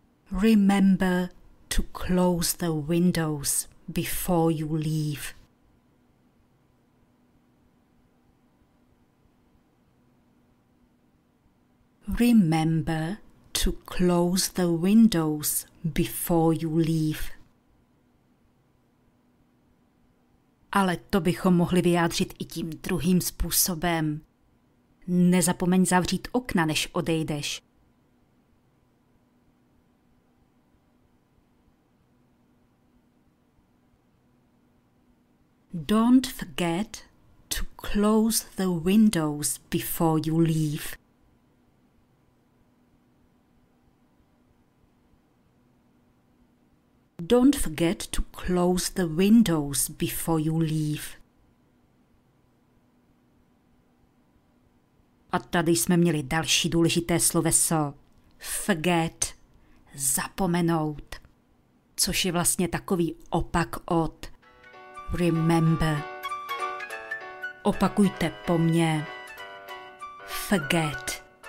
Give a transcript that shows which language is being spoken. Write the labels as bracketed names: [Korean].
[English] Remember to close the windows before you leave. Remember to close the windows before you leave. [Czech] Ale to bychom mohli vyjádřit i tím druhým způsobem. Nezapomeň zavřít okna, než odejdeš. [English] Don't forget to close the windows before you leave. Don't forget to close the windows before you leave. [Czech] A tady jsme měli další důležité sloveso. Forget, zapomenout. Což je vlastně takový opak od remember. Opakujte po mně. Forget.